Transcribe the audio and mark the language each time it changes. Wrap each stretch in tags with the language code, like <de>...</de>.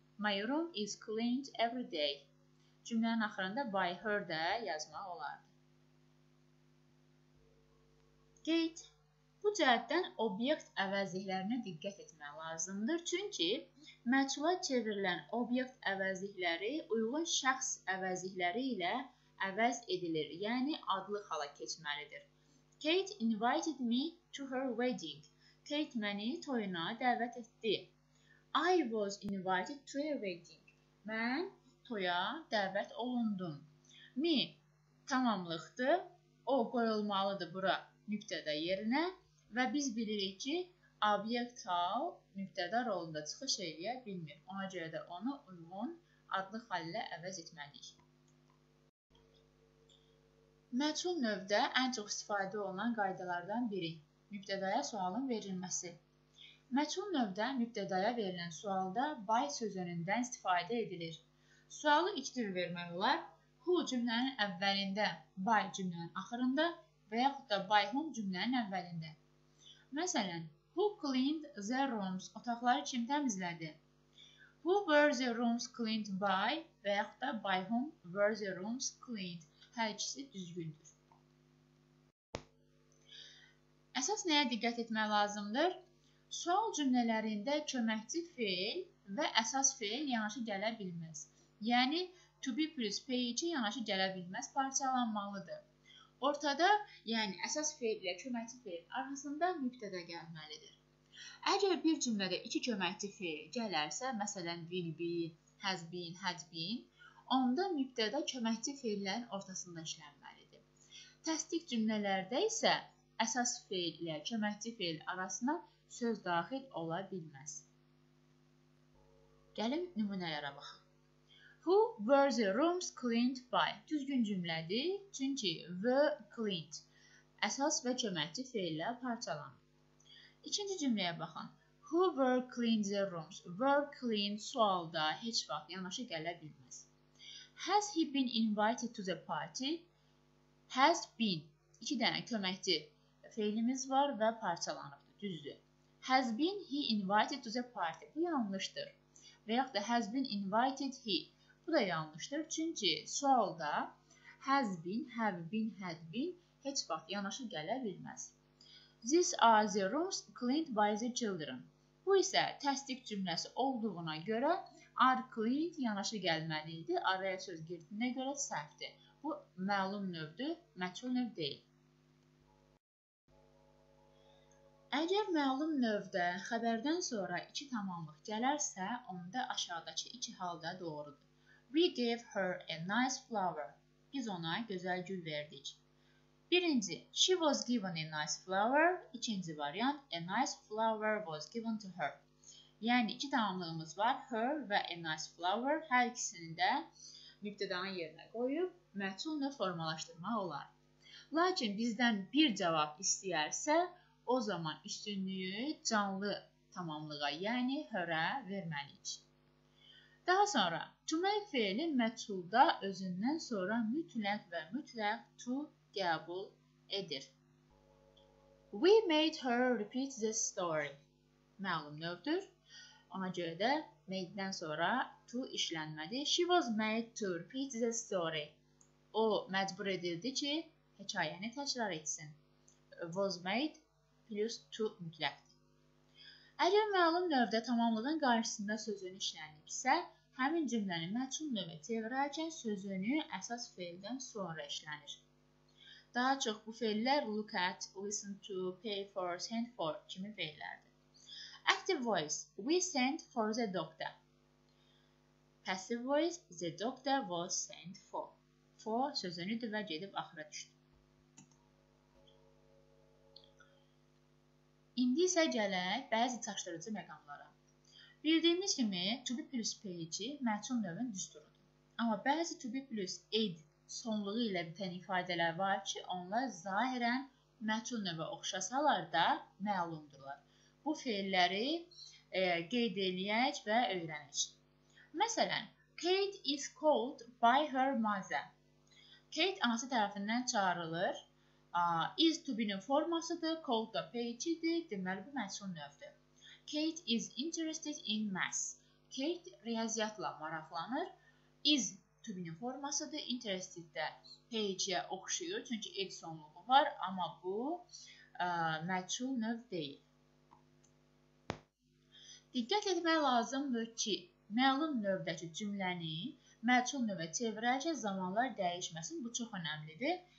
<en>My room is cleaned every day.</en> <az>Cümlənin axırında by her də yazmaq olardı. Kate. Bu cəhətdən obyekt əvəzliklərinə diqqət etmək lazımdır. Çünki məchula çevrilən obyekt əvəzlikləri uyğun şəxs əvəzlikləri ilə əvəz edilir, yəni adlı hala keçməlidir.</az> <en>Kate invited me to her wedding.</en> <az>Kate məni toyuna dəvət etdi.</az> <en>I was invited to her wedding.</en> <az>Mən toya dəvət olundum. Me tamamlıqdır. O qoyulmalıdır bura mübtəda yerinə. Və biz bilirik ki, obyekt hal mübtəda rolunda çıxış eləyə bilmir. Ona görə də onu uyğun adlı hal ilə əvəz etməliyik. Məchul növdə ən çox istifadə olunan qaydalardan biri. mübtədaya sualın verilməsi. Məçhul növdə mübtədaya verilən sualda by sözündən istifadə edilir. Sualı iki cür vermək olar. Who cümlənin əvvəlində, by cümlənin axırında və yaxud da by whom cümlənin əvvəlində. Məsələn,</az> <en>who cleaned the rooms?</en> <az>Otaqları kim təmizlədi?</az> <en>Who were the rooms cleaned by?</en> <az>Və yaxud da</az> <en>by whom were the rooms cleaned?</en> <az>Hər ikisi düzgündür. Əsas nəyə diqqət etmək lazımdır? Sual cümlələrində köməkçi fiil və əsas fiil yanaşı gələ bilməz. Yəni, to be plus PH yanaşı gələ bilməz parçalanmalıdır. Ortada, yəni əsas fiil ilə köməkçi fiil arasında mübtədə gəlməlidir. Əgər bir cümlədə iki köməkçi fiil gələrsə, məsələn, will be, has been, had been, onda mübtədə köməkçi fiillərin ortasında işlənməlidir. Təsdiq cümlələrdə isə əsas fiil ilə köməkçi fiil arasında söz daxil ola bilməz. Gəlin nümunələrə baxaq.</az> <en>Who were the rooms cleaned by?</en> <az>Düzgün cümlədir, çünki</az> <en>were cleaned.</en> <az>Əsas və köməkçi fiillə parçalanır. İkinci cümləyə baxın.</az> <en>Who were cleaned the rooms?</en> <az>Were cleaned sualda heç vaxt yanaşı gələ bilməz.</az> <en>Has he been invited to the party? Has been.</en> <az>İki dənə köməkçi fiilimiz var və parçalanıbdır, düzdür.</az> <en>Has been he invited to the party?</en> <az>Bu yanlışdır. Və yaxud da</az> <en>has been invited he?</en> <az>Bu da yanlışdır, çünki sualda has been, have been, had been heç vaxt yanaşı gələ bilməz.</az> <en>These are the rooms cleaned by the children.</en> <az>Bu isə təsdiq cümləsi olduğuna görə are cleaned yanaşı gəlməli idi, araya söz girdiyinə görə səhvdir. Bu, məlum növdür, məçhul növ deyil. Əgər məlum növdə xəbərdən sonra iki tamamlıq gələrsə, onda aşağıdakı iki halda doğrudur.</az> <en>We gave her a nice flower.</en> <az>Biz ona gözəl gül verdik. Birinci,</az> <en>she was given a nice flower.</en> <az>İkinci variant,</az> <en>a nice flower was given to her.</en> <az>Yəni, iki tamamlığımız var, her və a nice flower. Hər ikisini də mübtədanın yerinə qoyub, məçhul növ formalaşdırmaq olar. Lakin bizdən bir cavab istəyərsə, o zaman üstünlüyü canlı tamamlığa, yəni hörə verməliyik. Daha sonra, to make fiili məçhulda özündən sonra mütləq və mütləq to qəbul edir.</az> <en>We made her repeat the story.</en> <az>Məlum növdür. Ona görə də made-dən sonra to işlənmədi.</az> <en>She was made to repeat the story.</en> <az>O, məcbur edildi ki, hekayəni təkrar etsin. Was made plus to mütləqdir. Əgər məlum növdə tamamlığın qarşısında sözün işlənibsə, həmin cümləni məçhul növə çevirərkən sözünü əsas feildən sonra işlənir. Daha çox bu feillər look at, listen to, pay for, send for kimi feillərdir.</az> <en>Active voice, we sent for the doctor. Passive voice, the doctor was sent for.</en> <az>For sözünü də və gedib axıra düşdü. İndi isə gələk bəzi çaşdırıcı məqamlara. Bildiyimiz kimi, to be plus PH məçhul növün düsturudur. Amma bəzi to be plus ed sonluğu ilə bitən ifadələr var ki, onlar zahirən məçhul növə oxşasalar da məlumdurlar. Bu feilləri qeyd eləyək və öyrənək. Məsələn,</az> <en>Kate is called by her mother.</en> <az>Kate anası tərəfindən çağırılır. Is to be-nin formasıdır, called da PH-dir, deməli bu məçhul növdür.</az> <en>Kate is interested in maths.</en> <az>Kate riyaziyyatla maraqlanır. Is to be-nin formasıdır, interested də PH-yə oxşuyur, çünki ed sonluğu var, amma bu məçhul növ deyil. Diqqət etmək lazımdır ki, məlum növdəki cümləni məçhul növə çevirəcə zamanlar dəyişməsin, bu çox önəmlidir.</az>